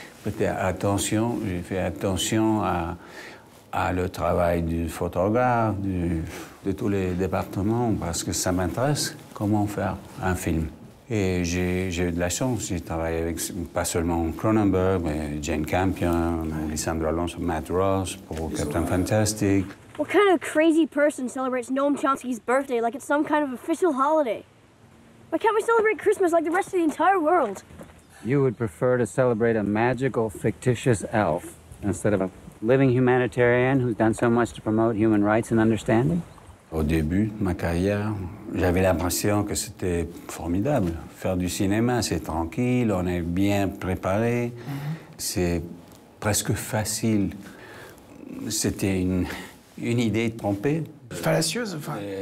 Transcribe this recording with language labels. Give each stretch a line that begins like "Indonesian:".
French: faisais attention, j'ai fait attention à le travail du photographe, de tous les départements, parce que ça m'intéresse comment faire un film. Et j'ai eu de la chance, j'ai travaillé avec pas seulement Cronenberg, mais Jane Campion, ouais. Lisandro Alonso, Matt Ross pour c'est Captain vrai.
English: Fantastic. What kind of crazy person celebrates Noam Chomsky's birthday like it's some kind of official holiday? Why can't we celebrate Christmas like the rest of the entire world? You would prefer to celebrate a magical, fictitious elf instead of a living humanitarian who's done so much to promote human rights and understanding?
French: Au début de ma carrière, j'avais l'impression que c'était formidable. Faire du cinéma, c'est tranquille, on est bien préparé, c'est presque facile. C'était une idée trompée. Fallacieuse, enfin.